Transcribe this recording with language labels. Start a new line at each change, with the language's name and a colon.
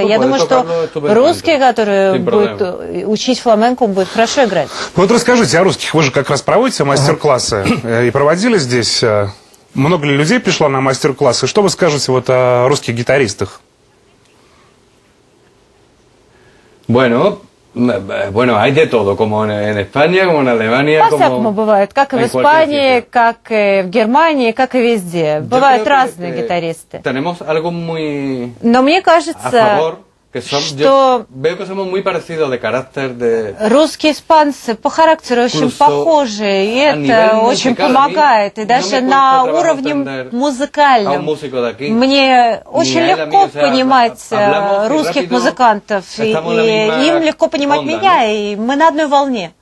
Russian: Я думаю, что русский, который будет учить фламенко, будет хорошо играть. Вот расскажите о русских. Вы же как раз проводите мастер-классы и проводили здесь. Много ли людей пришло на мастер-классы? Что вы скажете вот о русских гитаристах?
Spanish: Bueno, hay de todo, como en España, como en Alemania, como...
Russian: По-всякому бывает, как и в Испании, как и в Германии, как и везде. Бывают разные гитаристы.
Spanish: Tenemos algo muy...
Russian: Но мне кажется, что...
Spanish: Veo que somos muy parecidos de carácter de...
Russian: Русские испанцы по характеру очень похожи, и это очень помогает. И даже на уровне музыкальном мне очень легко понимать русских музыкантов, и им легко понимать меня, и мы на одной волне.